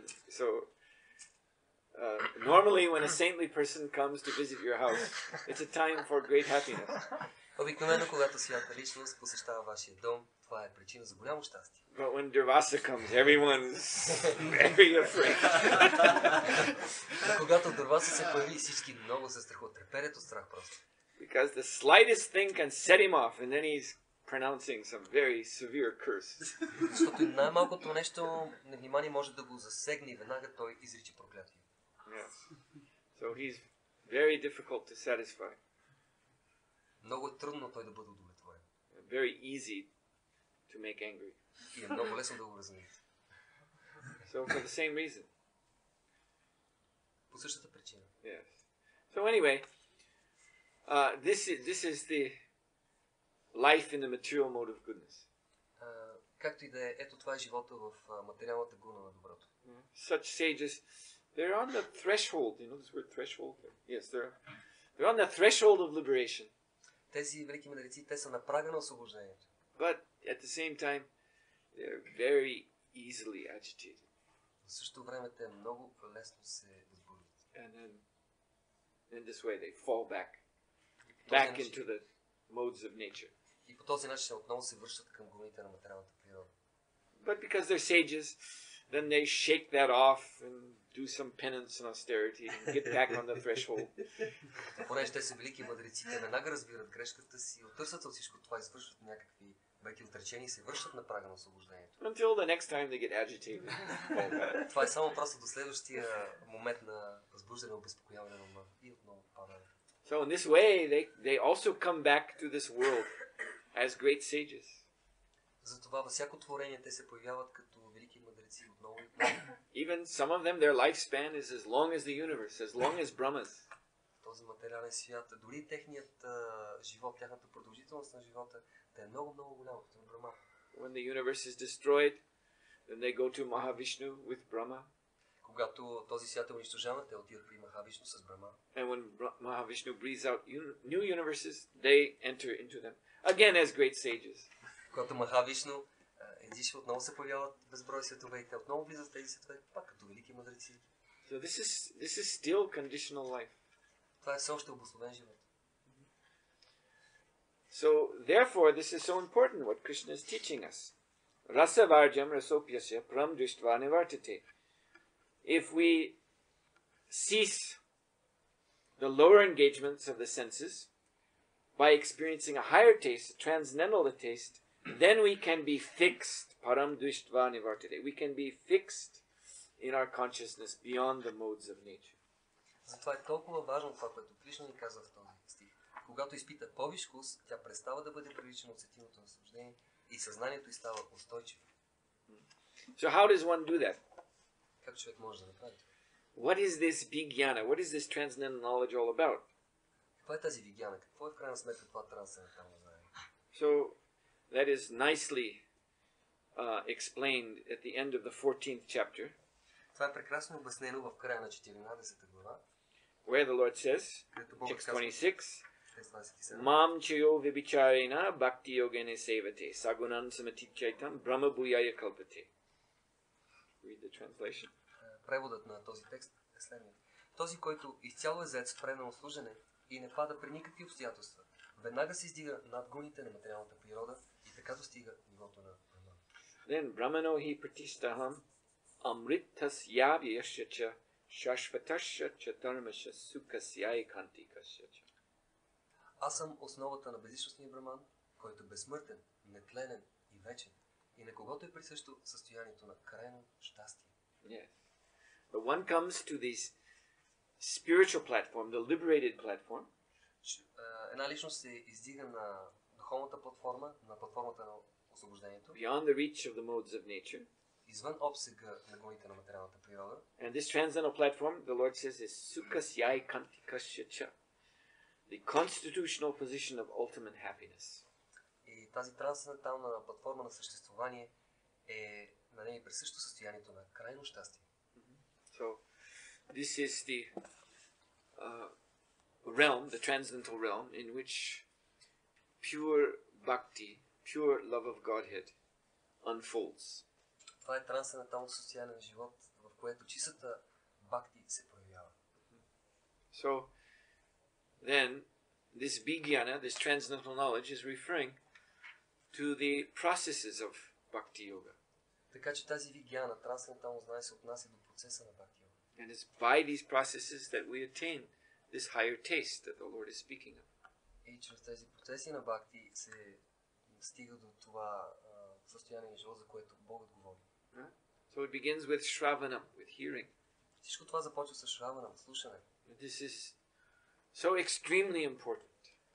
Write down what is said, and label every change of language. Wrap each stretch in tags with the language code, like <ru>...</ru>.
<en>So, normally when a saintly person comes to visit your house, it's a time for great happiness.</en> <bg>Обикновено когато свята личност посещава вашия дом, това е причина за голямо щастие.</bg> <en>But when Durvasa comes, everyone's very afraid.</en> <bg>Когато Durvasa се появи, всички много се страхуват, треперят от страх просто.</bg> <en>Because the slightest thing can set him off and then he's pronouncing some very severe curse.</en> <bg>Защото най-малкото нещо невнимание може да го засегне и веднага той изрича проклятие.</bg> <en>Yes. So he's very difficult to satisfy.</en> <bg>Много е трудно той да бъде удовлетворен.</bg> <en>Very easy to make angry.</en> <bg>И е много лесно да го разнесе.</bg> <en>So for the same reason.</en> <bg>По същата причина.</bg> <en>Yes. So anyway, this is the life in the material mode of goodness.</en> <bg>Както и да е, ето това е живота в материалната гуна на доброто.</bg> <en>Such sages, they're on the threshold, you know this word threshold? Yes, they're on the threshold of liberation.</en> <bg>Тези велики мъдреци, те са на прага на освобождението.</bg> <en>But at the same time, they're very easily agitated.</en> <bg>В същото време те много лесно се възбуждат.</bg> <en>And then, in this way, they fall back into the modes of nature.</en> <bg>И по този начин отново се връщат към гуните на материалната природа.</bg> <en>But because they're sages, then they shake that off and do some penance and austerity and get back on the threshold.</en> <bg>Понеже те са велики мъдреци, те веднага разбират грешката си, отърсват от всичко това, извършват някакви веки отречения и се връщат на прага на освобождението.</bg> <en>Until the next time they get agitated.</en> <bg>Това е само просто до следващия момент на възбуждане, обезпокояване на ума и отново падане.</bg> <en>So in this way, they also come back to this world as great sages.</en> <bg>Затова във всяко творение те се появяват като велики мъдреци отново и отново.</bg> <en>Even some of them, their lifespan is as long as the universe, as long as Brahma's.</en> <bg>Този материален свят, дори техният живот, тяхната продължителност на живота, те е много-много голяма като Брама.</bg> <en>When the universe is destroyed, then they go to Mahavishnu with Brahma.</en> <bg>Когато този свят е унищожаван, те отиват при Махавишну с Брама.</bg> <en>And when Mahavishnu breathes out new universes, they enter into them. Again, as great sages.</en> <bg>Когато Махавишну издишва, отново се появяват безброй светове и те отново влизат в тези светове, пак като велики мъдреци.</bg> <en>So this is still conditional life.</en> <bg>Това е все още обусловен живот.</bg> <en>So therefore this is so important what Krishna is teaching us.</en> <sa>Rasa varjam rasopyasya pram drishtva nivartate.</sa> <en>If we cease the lower engagements of the senses by experiencing a higher taste, a transcendental taste, then we can be fixed,</en> <sa>param dvishtva nivartate.</sa> <en>We can be fixed in our consciousness beyond the modes of nature.</en> <bg>Затова е толкова важно това, което Кришна ни казва в този стих. Когато изпита повиш вкус, тя престава да бъде привлечена от сетивното наслаждение и съзнанието й става устойчиво.</bg> <en>So how does one do that?</en> <bg>Как човек може да направи това?</bg> <en>What is this vijnana? What is this transcendental knowledge all about?</en> <bg>Какво е тази vijnana? Какво е в крайна сметка това трансцендентално знание?</bg> <en>So that is nicely explained at the end of the 14th chapter.</en> <bg>Това е прекрасно обяснено в края на 14-та глава.</bg> <en>Where the Lord says, text 26,</en> <sa>Mam chayo vibhicharena bhakti yogene sevate sagunan samatit chaitam brahma bhuyaya kalpate.</sa> <en>Read the translation.</en> <bg>Преводът на този текст е следният. Този, който изцяло е зает с предано служене и не пада при никакви обстоятелства, веднага се издига над гуните на материалната природа и така достига нивото на Брахман.</bg> <sa>Then Brahmano hi pratisthaham amritas yavyasya cha shashvatasya cha dharmasya sukasya ekantikasya cha.</sa> <bg>Аз съм основата на безличностния Брахман, който е безсмъртен, нетленен и вечен, и на когото е присъщо състоянието на крайно щастие.</bg> <en>Yes. But one comes to this spiritual platform, the liberated platform.</en> <bg>Една личност се издига на духовната платформа, на платформата на освобождението.</bg> <en>Beyond the reach of the modes of nature.</en> <bg>Извън обсега на гоните на материалната природа.</bg> <en>And this transcendental platform, the Lord says, is</en> <sa>sukasya ekantikasya cha.</sa> <en>The constitutional position of ultimate happiness.</en> <bg>И тази трансцендентална платформа на съществуване е на нея присъщо състоянието на крайно щастие.</bg> <en>So this is the realm, the transcendental realm in which pure bhakti, pure love of Godhead unfolds.</en> <bg>Това е трансценденталното състояние на живот, в което чистата бхакти се проявява.</bg> <en>So then this Biene, this transcendental knowledge, is referring to the processes of Bhakti Yoga.</en> <bg>Така че тази Biene, трансцендентално знание, се отнася до процеса на Бхакти Йога.</bg> <en>And it's by these processes that we attain this higher taste that the Lord is speaking of.</en> <bg>И чрез тези процеси на Бхакти се стига до това състояние на живота, за което Богът говори.</bg> <en>So it begins with Shravanam, with hearing.</en> <bg>Всичко това започва с Shravanam, слушане.</bg> <en>This is so extremely important.</en>